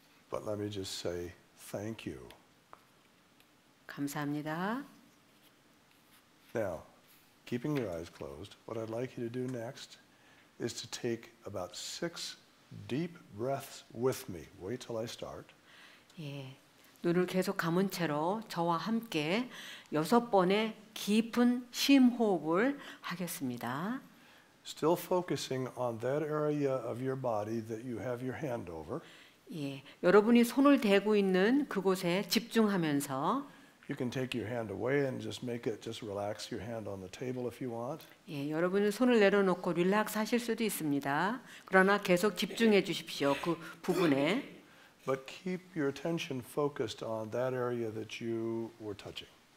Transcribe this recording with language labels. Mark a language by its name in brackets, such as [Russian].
[English] But let me just say thank you. [Korean] 감사합니다. [English] Now, keeping your eyes closed, what I'd like you to do next is to take about 6 deep breaths with me. Wait till I start. [Korean] 예, 눈을 계속 감은 채로 저와 함께 6번의 깊은 심호흡을 하겠습니다. [English] Still focusing on that area of your body that you have your hand over. [Korean] 예, 여러분이 손을 대고 있는 그곳에 집중하면서 [English] You can take your hand away and just make it just relax your hand on the table if you want. [Korean] 예, 여러분은 손을 내려놓고 릴락스 하실 수도 있습니다. 그러나 계속 집중해 주십시오. 그 부분에. [English] But keep your attention focused on that area that you were touching.